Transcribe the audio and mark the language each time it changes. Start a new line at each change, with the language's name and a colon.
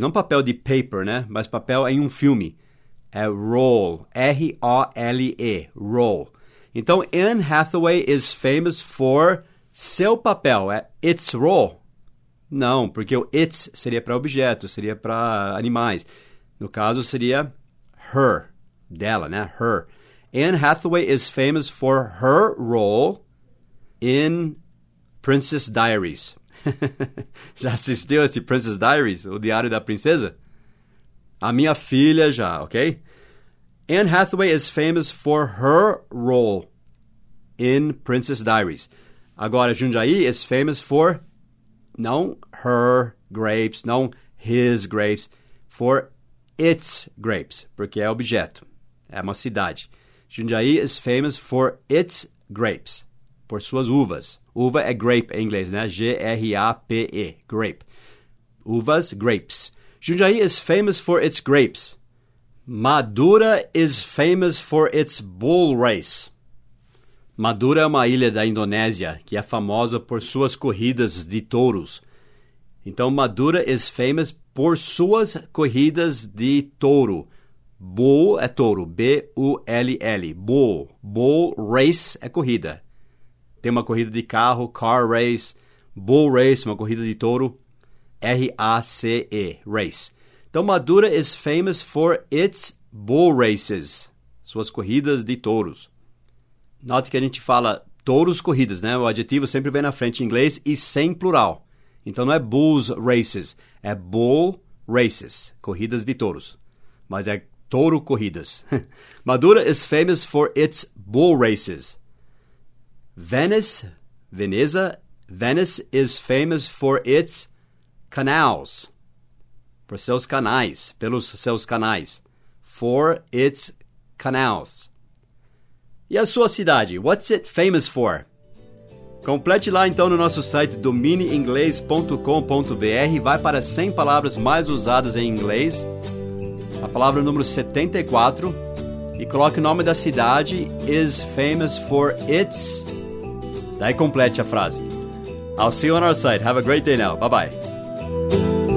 Portuguese: Não papel de paper, né? Mas papel em um filme. É role. R-O-L-E. Role. Então, Anne Hathaway
English: is famous for
Portuguese: seu papel. É
English: its role.
Portuguese: Não, porque o its seria para objeto, seria para animais. No caso, seria her. Dela, né? Her.
English: Anne Hathaway is famous for her role in Princess Diaries.
Portuguese: Já assistiu esse Princess Diaries, o Diário da Princesa? A minha filha já, ok?
English: Anne Hathaway is famous for her role in Princess Diaries. Agora, Jundiaí is famous for, não her grapes, não his grapes, for its grapes,
Portuguese: porque é objeto, é uma cidade.
English: Jundiaí is famous for its grapes,
Portuguese: por suas uvas. Uva é grape em inglês, né? G-R-A-P-E, grape. Uvas, grapes.
English: Jundiaí is famous for its grapes. Madura is famous for its bull race.
Portuguese: Madura é uma ilha da Indonésia que é famosa por suas corridas de touros. Então, Madura
English: is famous
Portuguese: por suas corridas de touro. Bull é touro, B-U-L-L, bull. Bull race é corrida. Tem uma corrida de carro,
English: car race, bull race,
Portuguese: uma corrida de touro, R-A-C-E, race.
English: Então, Madura is famous for its bull races,
Portuguese: suas corridas de touros. Note que a gente fala touros corridas, né? O adjetivo sempre vem na frente em inglês e sem plural. Então, não é
English: bulls races,
Portuguese: é
English: bull races,
Portuguese: corridas de touros. Mas é touro corridas.
English: Madura is famous for its bull races. Venice, Veneza, Venice is famous for its canals.
Portuguese: Por seus canais, pelos seus canais.
English: For its canals.
Portuguese: E a sua cidade,
English: what's it famous for?
Portuguese: Complete lá então no nosso site domineinglês.com.br. Vai para 100 palavras mais usadas em inglês, a palavra número 74, e coloque o nome da cidade,
English: is famous for its.
Portuguese: Daí complete a frase.
English: I'll see you on our site. Have a great day now. Bye bye.